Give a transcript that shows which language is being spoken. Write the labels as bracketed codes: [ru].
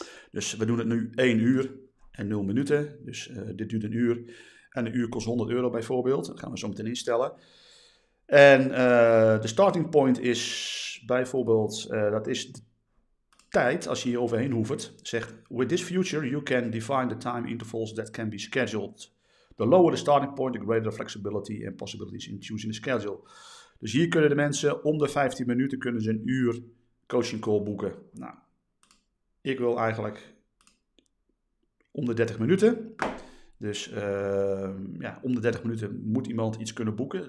[nl] Dus we doen het nu 1 uur en 0 minuten. Dus dit duurt een uur. En een uur kost €100 bijvoorbeeld. Dat gaan we zo meteen instellen. En de starting point is bijvoorbeeld, dat is tijd, als je hier overheen hoeft, zegt [en] with this future you can define the time intervals that can be scheduled. The lower the starting point, the greater the flexibility and possibilities in choosing the schedule. [nl] Dus hier kunnen de mensen om de 15 minuten kunnen ze een uur coaching call boeken. Nou, ik wil eigenlijk om de 30 minuten. Dus om de 30 minuten moet iemand iets kunnen boeken.